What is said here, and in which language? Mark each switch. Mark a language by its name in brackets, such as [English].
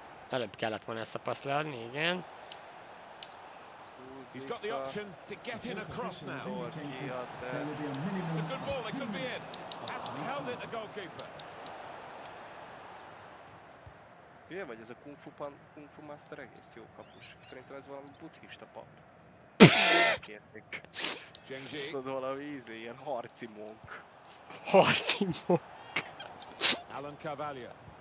[Hungarian] Előbb kellett volna ezt a passzt leadni, igen. [English] He's got the option to get in across now. It's a good ball, it could be in. Hasn't held it, the goalkeeper. [Hungarian] Hülye vagy ez a Kung Fu Pan, Kung Fu Master egész jó kapus. Szerintem ez valami buddhista pap. Kérték. Tudod, valami ízé, ilyen harci munk. Harci munk. Alan Cavalier.